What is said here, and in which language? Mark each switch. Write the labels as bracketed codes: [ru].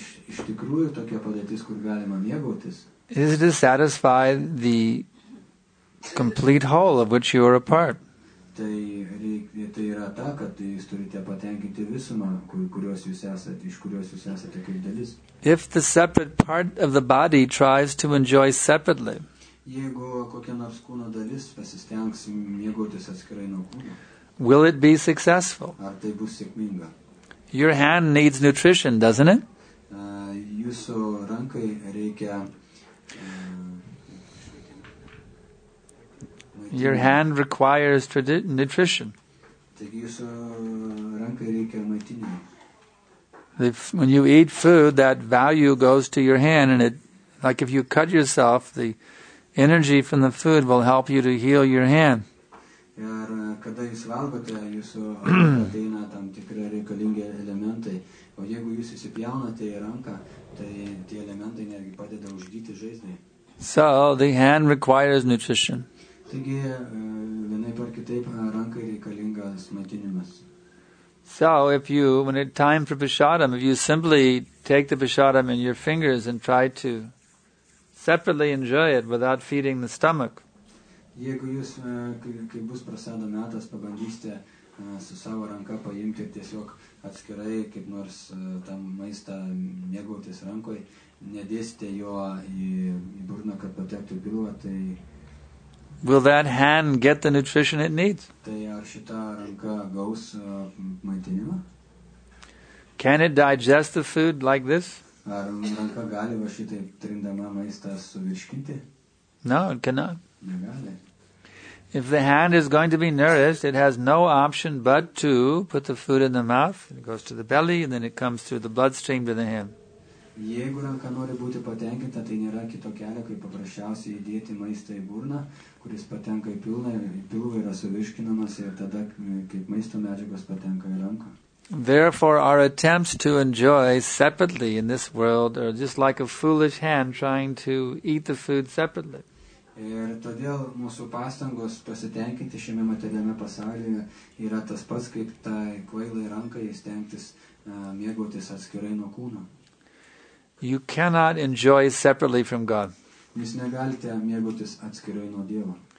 [lt] iš tikrųjų tokia padėtis, kur galima mėgautis, [en] is to satisfy the complete whole of which you are a part. [lt] Tai yra ta, kad jūs turite patenkinti visumą, kurios jūs esate, iš kurios jūs esate kaip dalis. [en] If the separate part of the body tries to enjoy separately, [lt] jeigu kokia nors kūno dalis pasistengs mėgautis atskirai nuo kūno, [en] will it be successful? [lt] Ar tai bus sėkminga? [en] Your hand needs nutrition, doesn't it? [lt] Jūsų rankai reikia [en] Your hand requires nutrition. [lt] Taigi jūsų rankai reikia maitinimo. [en] When you eat food, that value goes to your hand, and it, like if you cut yourself, the energy from the food will help you to heal your hand. [lt] Ir kada jūs valgote, jūsų ateina tam tikrai reikalingi elementai. O jeigu jūs įsipjaunate į ranką, tai tie elementai netgi padeda užgyti žaizdai. [en] So, the hand requires nutrition. [lt] Taigi, vienaip ar kitaip, rankai reikalingas maitinimas. [en] So, if you, when it's time for Vishadam, if you simply take the Vishadam in your fingers and try to separately enjoy it without feeding the stomach, [lt] jeigu jūs, kai bus prasado metas, pabandysite su savo ranka paimti ir tiesiog atskirai, kaip nors tam maistą mėgautis rankoj, nedėsite jo į burną, kad patektų pilvą, tai... [en] Will that hand get the nutrition it needs? [lt] Tai ar šita ranka gaus maitinimą? [en] Can it digest the food like this? [lt] Ar ranka gali va šitai trindama maistą suvirškinti? [en] No, it cannot. [lt] Negali. [en] If the hand is going to be nourished, it has no option but to put the food in the mouth, it goes to the belly, and then it comes through the bloodstream to the hand. [lt] Jeigu ranka nori būti patenkinta, tai nėra kito kelio, kaip paprasčiausiai įdėti maistą į burną, kuris patenka į pilną, į pilvą yra suvirškinamas, ir tada, kaip maisto medžiagos patenka į ranką. [en] Therefore, our attempts to enjoy separately in this world are just like a foolish hand trying to eat the food separately. [lt] Ir todėl mūsų pastangos pasitenkinti šiame materialiame pasaulyje yra tas pats, kaip tai kvailai rankai stengtis mėgautis atskirai nuo kūno. [en] You cannot enjoy separately from God. [lt] Jūs negalite mėgautis atskirai nuo Dievo.